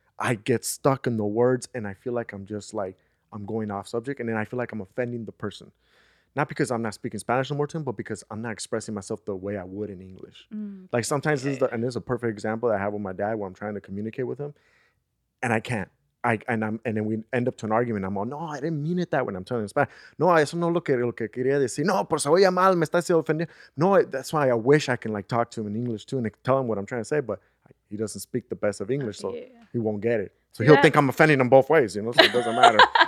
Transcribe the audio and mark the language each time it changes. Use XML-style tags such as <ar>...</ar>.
<en>I get stuck in the words and I feel like I'm just like, I'm going off subject. And then I feel like I'm offending the person. Not because I'm not speaking Spanish no more to him, but because I'm not expressing myself the way I would in English. Mm. Like sometimes, this is a perfect example that I have with my dad where I'm trying to communicate with him and I can't. And then we end up to an argument. I'm like, no, I didn't mean it that way. I'm telling him Spanish.</en> <es>No, eso no lo que quería decir. No, por eso voy a mal, me está siendo ofendido.</es> <en>No, that's why I wish I can like talk to him in English too and tell him what I'm trying to say, but he doesn't speak the best of English, so he won't get it. So he'll think I'm offending him both ways, you know, so it doesn't matter.</en>